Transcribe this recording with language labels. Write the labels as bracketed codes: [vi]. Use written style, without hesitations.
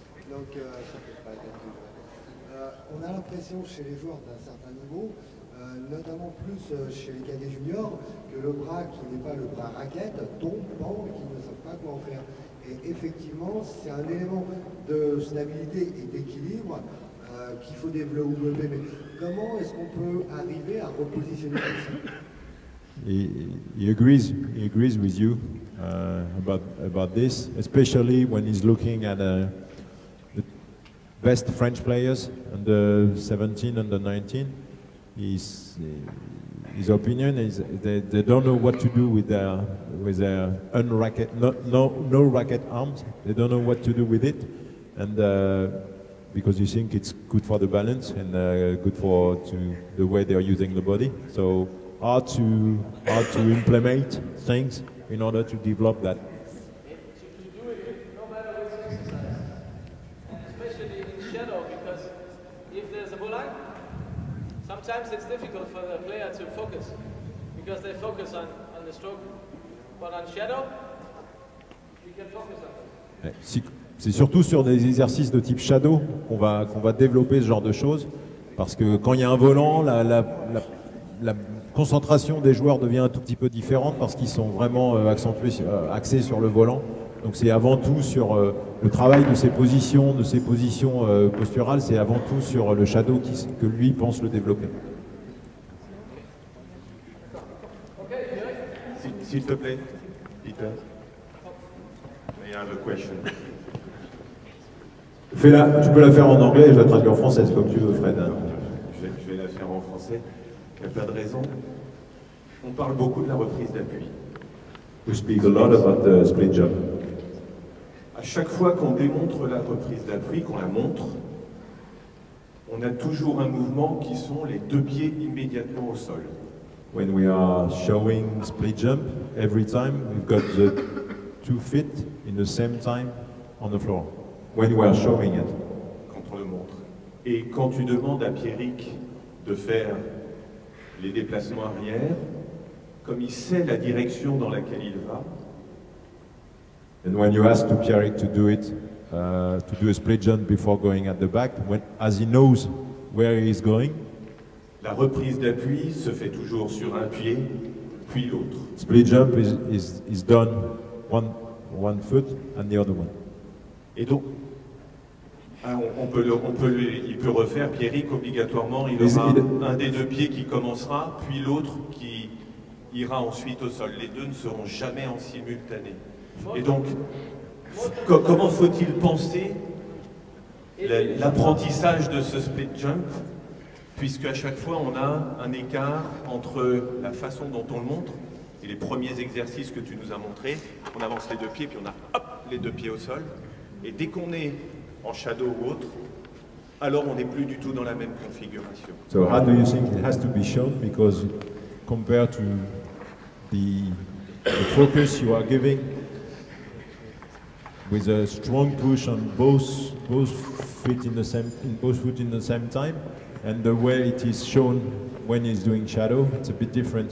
[fr] Donc, on a l'impression chez les joueurs d'un certain niveau, notamment plus chez les cadets juniors, que le bras qui n'est pas le bras raquette tombe, pend et qu'ils ne savent pas quoi en faire. Et effectivement, c'est un élément de stabilité et d'équilibre qu'il faut développer. Mais comment est-ce qu'on peut arriver à repositionner ça? [en] He agrees with you about this, especially when he's looking at best French players under 17, under 19. His opinion is they don't know what to do with their un-racket, no racket arms. They don't know what to do with it, and because you think it's good for the balance and good for to the way they are using the body. So hard to implement things in order to develop that. To do it with normal exercise, especially in shadow, because if there's a blue line, sometimes it's difficult for the player to focus, because they focus on the stroke. But on shadow, you can focus on it. [fr] C'est surtout sur des exercices de type shadow qu'on va développer ce genre de choses. Parce que quand il y a un volant, la concentration des joueurs devient un tout petit peu différente parce qu'ils sont vraiment axés sur le volant. Donc c'est avant tout sur le travail de ses positions, posturales, c'est avant tout sur le shadow que lui pense le développer. S'il te plaît, Peter. [en] I have a question. [fr] Tu peux la faire en anglais et je la traduis en français comme tu veux, Fred. Je vais la faire en français. Il n'y a pas de raison. On parle beaucoup de la reprise d'appui. [en] We speak a lot about the split jump. [fr] À chaque fois qu'on démontre la reprise d'appui, qu'on la montre, on a toujours un mouvement qui sont les deux pieds immédiatement au sol. [en] When we are showing split jump, every time we've got the two feet in the same time on the floor. When we are showing it. [fr] Quand on le montre. Et quand tu demandes à Pierrick de faire les déplacements arrière, comme il sait la direction dans laquelle il va. [en] And when you ask to Pierrick to do it, to do a split jump before going at the back, as he knows where he is going. [fr] La reprise d'appui se fait toujours sur un pied, puis l'autre. [en] Split jump is done one foot and the other one. [fr] Et donc, il peut refaire Pierrick obligatoirement. Il aura un des deux pieds qui commencera, puis l'autre qui ira ensuite au sol. Les deux ne seront jamais en simultané. Et donc, comment faut-il penser l'apprentissage de ce split jump, puisque à chaque fois on a un écart entre la façon dont on le montre et les premiers exercices que tu nous as montrés. On avance les deux pieds, puis on a hop les deux pieds au sol. Et dès qu'on est en shadow ou autre, alors on n'est plus du tout dans la même configuration. [en] So how do you think it has to be shown? Because compared to the focus you are giving, with a strong push on both foot in the same time, and the way it is shown when he's doing shadow, it's a bit different.